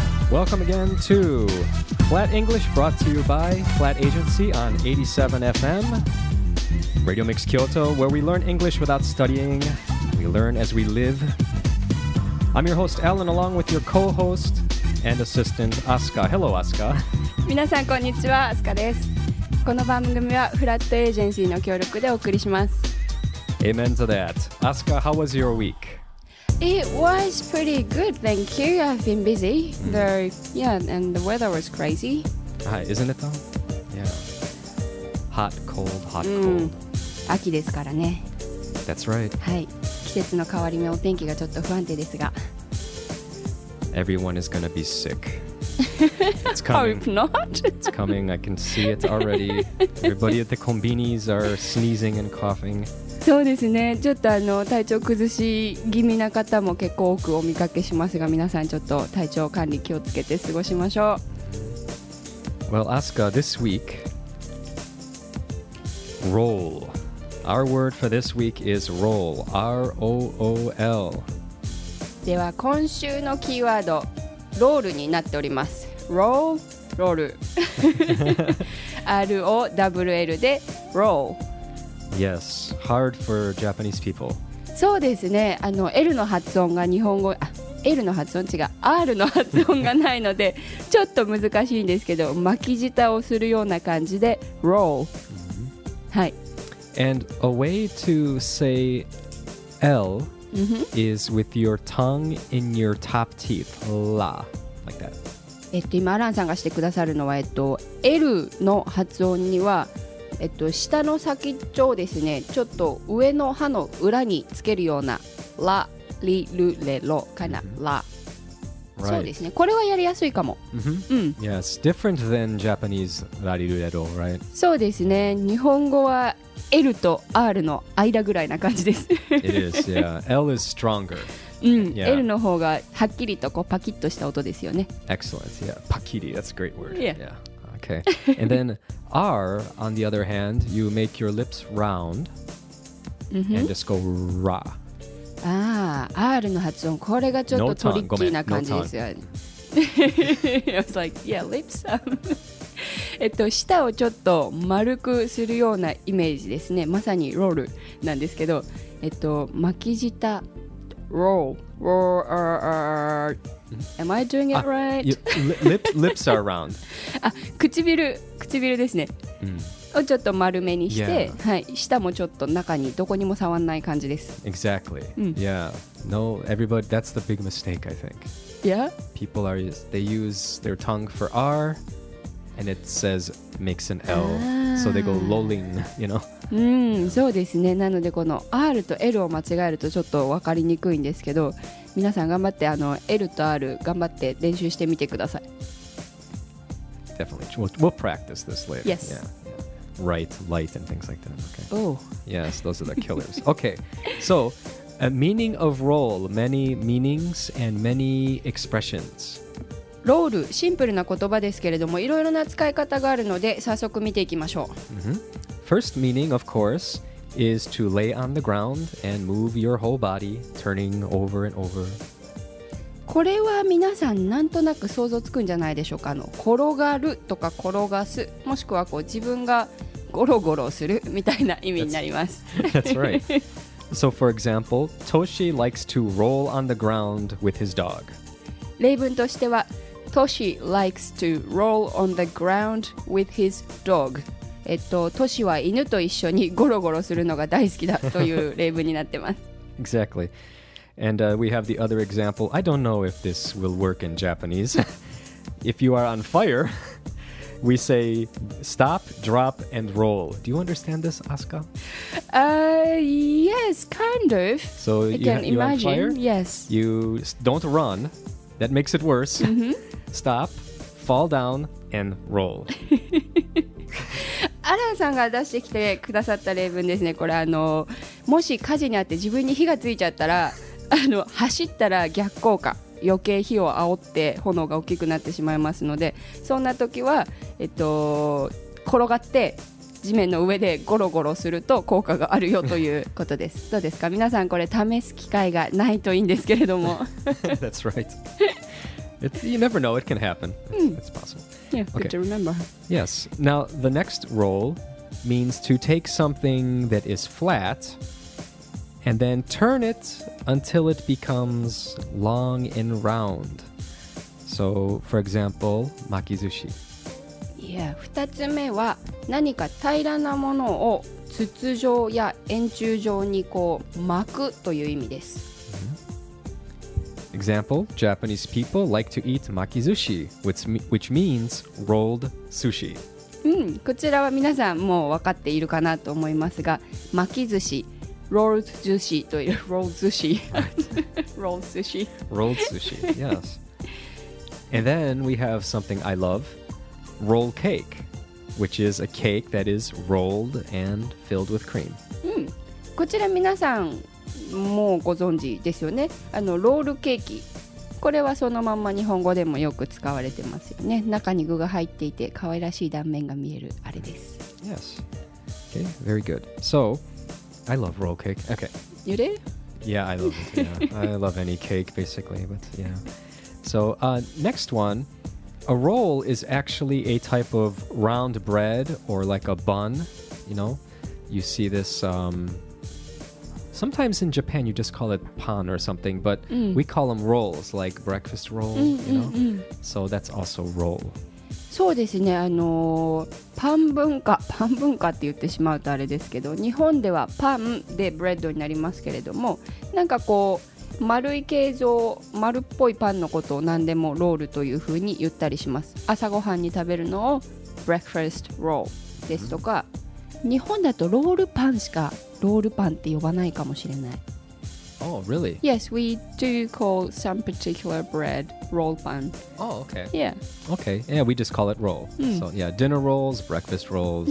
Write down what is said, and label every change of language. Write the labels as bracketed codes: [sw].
[en] Welcome again to Flat English, brought to you by Flat Agency on 87 FM, Radio Mix Kyoto, where we learn English without studying. We learn as we live. I'm your host, Alan, along with your co-host and assistant, Asuka. Hello, Asuka. [ja] 皆さん、こんにちは。Asuka です。この番組は Flat Agency の協力でお送りします。 [en] Amen to that. Asuka, how was your week? It was pretty good, thank you. I've been busy. And the weather was crazy. Isn't it though? Yeah. Hot, cold. [ja] 秋ですからね。 [en] That's right. [ja] はい。季節の変わり目、お天気がちょっと不安定ですが。 [en] Everyone is gonna be sick. It's coming. Hope not. It's coming. I can see it already. Everybody at the combinis are sneezing and coughing. [ja] そうですね、ちょっとあの体調崩し気味な方も結構多くお見かけしますが、皆さんちょっと体調管理気をつけて過ごしましょう。 [en] Well, Asuka, this week roll. Our word for this week is roll. R-O-O-L. [ja] では今週のキーワード、ロールになっております。 [en] Roll, roll. R-O-W-L で roll Yes, hard for Japanese people. [ja] そうですね、あの L の発音が日本語、あ、L の発音違う、R の発音がないのでちょっと難しいんですけど、巻き舌をするような感じで roll、mm-hmm. はい。 [en] And a way to say L、mm-hmm. is with your tongue in your top teeth, la, like that. [ja] 今アランさんがしてくださるのは、L の発音には下の先っちょをですね、ちょっと上の歯の裏につけるようなラ、リ、ル、レ、ロかな、mm-hmm. ラ、 [en] right. [ja] そうですね、これはやりやすいかも、 mm-hmm. [en] Yes, different than Japanese ラ、リ、ル、レ、ロ、right? [ja] そうですね、日本語は L と R の間ぐらいな感じです [en] It is, yeah, L is stronger、 [ja] yeah. L の方がはっきりとこうパキッとした音ですよね。 [en] Excellent, yeah, パキリ、that's a great word Yeah, yeah. Okay, and then R, on the other hand, you make your lips round、mm-hmm. and just go ra. [ja] Ah, R の発音、これがちょっとトリッキーな感じですよ。 [en] No tongue, I was like, yeah, lips. [ja] 舌をちょっと丸くするようなイメージですね。まさにロールなんですけど、巻き舌、roll, roll, r. [en] Am I doing it right? Lips are round. [ja] あ、唇ですね。をちょっと丸めにして、 [en] yeah. [ja] はい、舌もちょっと中にどこにも触らない感じです。 [en] Exactly.、Yeah. No, everybody, that's the big mistake, I think. Yeah? People are, they use their tongue for R, and it says, makes an L. So they go lolling, you know? [ja] そうですね。なのでこの R と L を間違えるとちょっと分かりにくいんですけど、皆さん頑張ってあの L と R 頑張って練習してみてください。 [en] Definitely. We'll practice this later. Yes. Yeah. Right, light and things like that. Okay. Oh. Yes, those are the killers. Okay. So, a meaning of roll. Many meanings and many expressions. [ja] ロール、シンプルな言葉ですけれども、いろいろな使い方があるので、早速見ていきましょう。 Mm-hmm. [en] First meaning, of course,is to lay on the ground and move your whole body, turning over and over. [ja] これは皆さんなんとなく想像つくんじゃないでしょうか。あの転がるとか転がす、もしくはこう自分がゴロゴロするみたいな意味になります。 [en] That's right. So for example, Toshi likes to roll on the ground with his dog. [ja] 例文としては、 [en] Toshi likes to roll on the ground with his dog. [ja] トシは犬と一緒にゴロゴロするのが大好きだという例文になってます。 [en] Exactly. And、we have the other example. I don't know if this will work in Japanese. If you are on fire, we say stop, drop, and roll. Do you understand this, Asuka? Yes, kind of. So I can imagine. You're on fire? Yes. You don't run. That makes it worse.、 Mm-hmm. Stop, fall down, and roll. [ja] アランさんが出してきてくださった例文ですね。これあのもし火事にあって自分に火がついちゃったら、あの走ったら逆効果、余計火を煽って炎が大きくなってしまいますので、そんな時は、転がって地面の上でゴロゴロすると効果があるよということです。どうですか皆さん、これ試す機会がないといいんですけれども。 [en] That's right. It's, you never know, it can happen. It's possible. Yeah, good、okay. to remember. Yes. Now, the next roll means to take something that is flat and then turn it until it becomes long and round. So, for example, 巻き寿司。 [ja] 2つ目は何か平らなものを筒状や円柱状にこう巻くという意味です、 mm-hmm. [en] Example, Japanese people like to eat 巻き寿司 which means rolled sushi、 [ja] うん、こちらは皆さんもう分かっているかなと思いますが巻き寿司 rolled 寿司という rolled 寿司 rolled 寿司 [en] rolled 寿司 yes And then we have something I loveroll cake, which is a cake that is rolled and filled with cream.、 [ja] うん、こちら皆さんもご存知ですよね。あのロールケーキ。これはそのまま日本語でもよく使われてますよね。中に具が入っていて可愛らしい断面が見えるあれです。 [en] Yes. Okay, very good. So, I love roll cake. Okay. You do? Yeah, I love it. Yeah. I love any cake, basically. But, yeah. So, next one. A roll is actually a type of round bread or like a bun, you know. You see this, sometimes in Japan you just call it pan or something, but、mm. we call them rolls, like breakfast roll, you know. Mm-hmm. So that's also roll. [ja] そうですね、あのパン文化、パン文化って言ってしまうとあれですけど、日本ではパンでブレッドになりますけれども、なんかこう、丸い形状、丸っぽいパンのことを何でもロールというふうに言ったりします。朝ごはんに食べるのを breakfast roll ですとか、mm-hmm. 日本だとロールパンしかロールパンって呼ばないかもしれない。 [en] Oh, really? Yes, we do call some particular bread roll pan. Oh, okay. Yeah. Okay, yeah, we just call it roll.、Mm. So, yeah, dinner rolls, breakfast rolls.